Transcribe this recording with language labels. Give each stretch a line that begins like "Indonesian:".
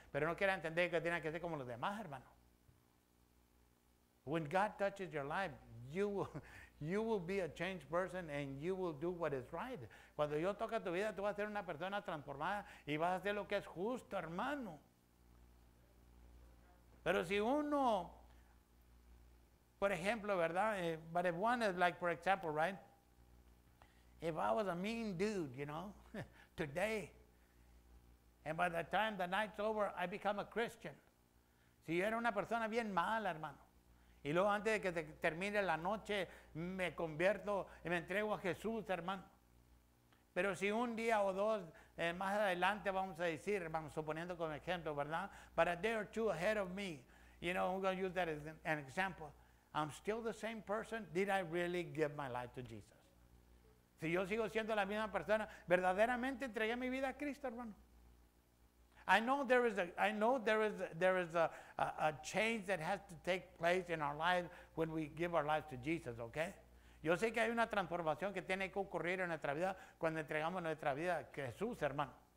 Spanish: Pero no quiero entender que tienes que ser como los demás, hermano.
English: When God touches your life, you will be a changed person and you will do what is right.
Spanish: Cuando Dios toca tu vida, tú vas a ser una persona transformada y vas a hacer lo que es justo, hermano. Pero si uno, por ejemplo, ¿verdad?
English: But if one is like, for example, right? If I was a mean dude, you know, today, and by the time the night's over, I become a Christian.
Spanish: Si yo era una persona bien mala, hermano. Y luego antes de que termine la noche, me convierto y me entrego a Jesús, hermano. Pero si un día o dos, más adelante vamos a decir, vamos suponiendo como ejemplo, ¿verdad?
English: But a day or two ahead of me, you know, I'm going to use that as an example. I'm still the same person. Did I really give my life to Jesus?
Spanish: Si yo sigo siendo la misma persona, ¿verdaderamente entregué mi vida a Cristo, hermano?
English: I know there is a change that has to take place in our lives when we give our lives to Jesus, okay?
Spanish: Yo sé que hay una transformación que tiene que ocurrir en nuestra vida cuando entregamos nuestra vida a Jesús, hermano.